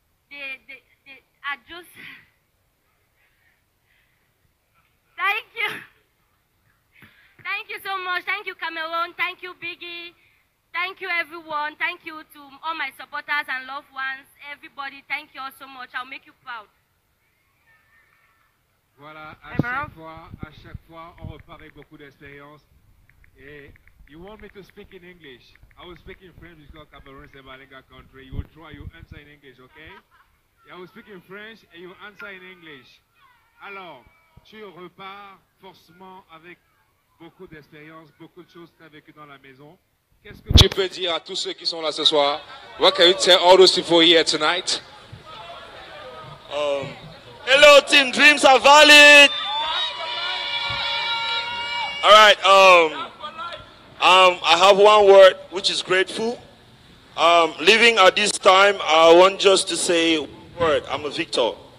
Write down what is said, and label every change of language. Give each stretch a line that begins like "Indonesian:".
English: Thank you. Thank you so much. Thank you, Cameroon. Thank you, Biggy. Thank you, everyone. Thank you to all my supporters and loved ones. Everybody, thank you all so much. I'll make you proud.
French: Voilà, à chaque fois, on repart avec beaucoup d'expérience.
English: Et you want me to speak in English? I will speak in French because Cameroon is a bilingual country. You will try, you answer in English, okay? Yeah, I will speak in French and you answer in English.
French: Alors, tu repars forcément avec beaucoup d'expérience, beaucoup de choses que tu as vécues dans la maison. Qu'est-ce que tu peux dire à tous ceux qui sont là ce soir?
English: What can you tell all those people here tonight? Hello, team. Dreams are valid. All right. I have one word, which is grateful. Leaving at this time, I want just to say one word. I'm a victor.